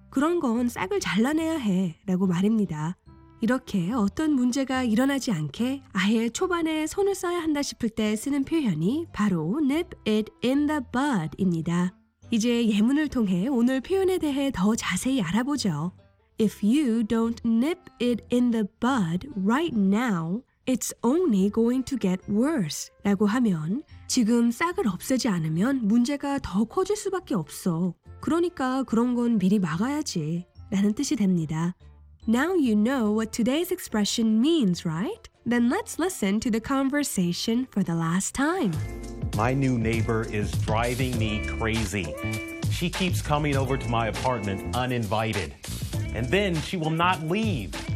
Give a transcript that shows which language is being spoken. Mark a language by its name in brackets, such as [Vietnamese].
[Korean] 그런 건 싹을 잘라내야 해 라고 말입니다. 이렇게 어떤 문제가 일어나지 않게 아예 초반에 손을 써야 한다 싶을 때 쓰는 표현이 바로 [English] nip it in the bud [Korean] 입니다. 이제 예문을 통해 오늘 표현에 대해 더 자세히 알아보죠. [English] If you don't nip it in the bud right now, it's only going to get worse. [Korean] 라고 하면 지금 싹을 없애지 않으면 문제가 더 커질 수밖에 없어. 그러니까 그런 건 미리 막아야지 라는 뜻이 됩니다. [English] Now you know what today's expression means, right? Then let's listen to the conversation for the last time. My new neighbor is driving me crazy. She keeps coming over to my apartment uninvited. And then she will not leave.